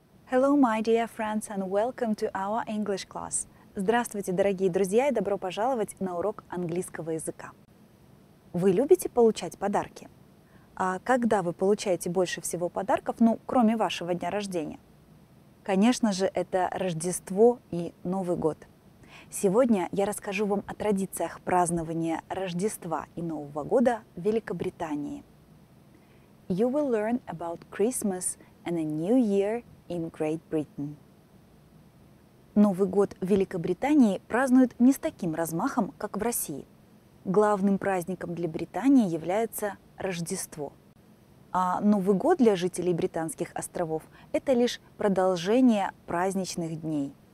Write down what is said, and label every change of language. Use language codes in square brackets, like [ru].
[en] Hello, my dear friends, and welcome to our English class. [ru] Здравствуйте, дорогие друзья, и добро пожаловать на урок английского языка. Вы любите получать подарки? А когда вы получаете больше всего подарков, ну, кроме вашего дня рождения? Конечно же, это Рождество и Новый год. Сегодня я расскажу вам о традициях празднования Рождества и Нового года в Великобритании. [en] You will learn about Christmas and a New Year in Great Britain. [ru] Новый год в Великобритании празднуют не с таким размахом, как в России. Главным праздником для Британии является Рождество. А Новый год для жителей Британских островов – это лишь продолжение праздничных дней.